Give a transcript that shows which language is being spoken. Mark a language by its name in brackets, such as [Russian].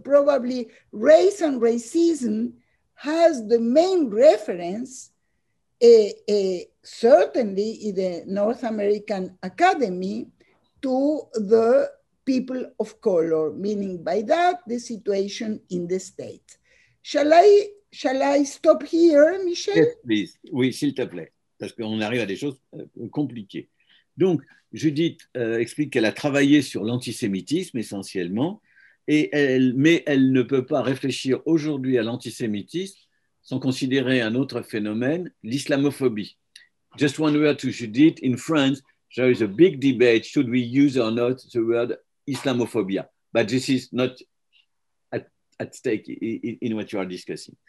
[English] Probably race and racism has the main reference, certainly in the North American Academy, to the people of color, meaning by that the situation in the States. Shall I stop here, Michel? Yes, please. [French] Oui, s'il te plaît, parce qu'on arrive à des choses compliquées. Donc, Judith explique qu'elle a travaillé sur l'antisémitisme essentiellement, mais elle ne peut pas réfléchir aujourd'hui à l'antisémitisme sans considérer un autre phénomène, l'islamophobie. [English] Just one word to Judith. In France, there is a big debate, should we use or not the word Islamophobia? But this is not at stake in what you are discussing.